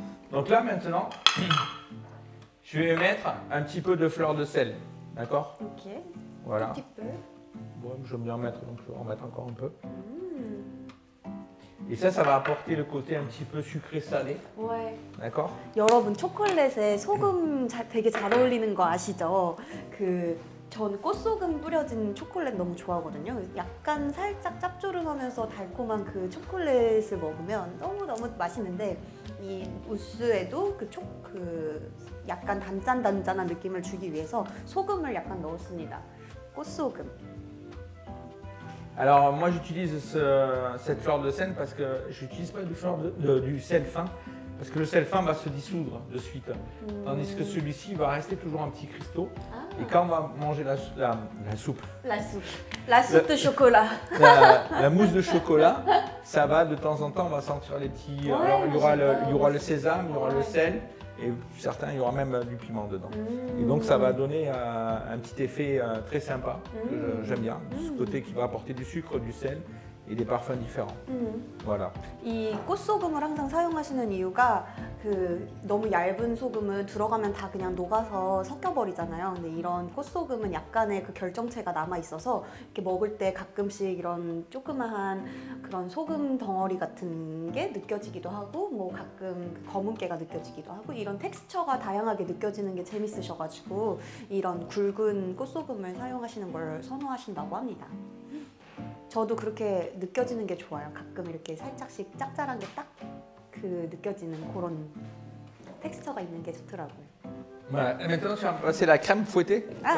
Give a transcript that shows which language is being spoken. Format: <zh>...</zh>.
<fr>Donc là maintenant, je vais mettre un petit peu de fleur de sel, d'accord? Ok. Voilà. Un petit peu. Bon, j'aime bien en mettre, donc je vais en mettre encore un peu. Et ça va apporter le côté un petit peu sucré salé. Ouais. D'accord?</fr> <ko>여러분, 초콜릿에 소금 되게 잘 어울리는 거 아시죠? 그 전 꽃소금 뿌려진 초콜릿 너무 좋아하거든요. 약간 살짝 짭조름하면서 달콤한 그 초콜릿을 먹으면 너무너무 맛있는데 이 우스에도 그 약간 단짠단짠한 느낌을 주기 위해서 소금을 약간 넣었습니다. 꽃소금.</ko> <fr>Alors moi j'utilise cette fleur de sel parce que j'utilise pas du fleur du sel fin parce que le sel fin va se dissoudre de suite. Tandis que celui-ci va rester toujours un petit cristaux. Et quand on va manger la mousse de chocolat, ça va de temps en temps, on va sentir les petits. Ouais, alors il y aura le sésame, il y aura le sel, et certains, il y aura même du piment dedans. Et donc ça va donner un petit effet très sympa, que j'aime bien, ce côté qui va apporter du sucre, du sel. Et des parfums différents. Voilà.</fr> <ko>이 꽃소금을 항상 사용하시는 이유가 그 너무 얇은 소금은 들어가면 다 그냥 녹아서 섞여버리잖아요. 근데 이런 꽃소금은 약간의 그 결정체가 남아 있어서 이렇게 먹을 때 가끔씩 이런 조그마한 그런 소금 덩어리 같은 게 느껴지기도 하고 뭐 가끔 검은깨가 느껴지기도 하고 이런 텍스처가 다양하게 느껴지는 게 재밌으셔가지고 이런 굵은 꽃소금을 사용하시는 걸 선호하신다고 합니다. 저도 그렇게 느껴지는 게 좋아요. 가끔 이렇게 살짝씩 짭짤한 게 딱 그 느껴지는 그런 텍스처가 있는 게 좋더라고요.</ko> <fr>Voilà. Maintenant, je vais passer la crème fouettée.</fr>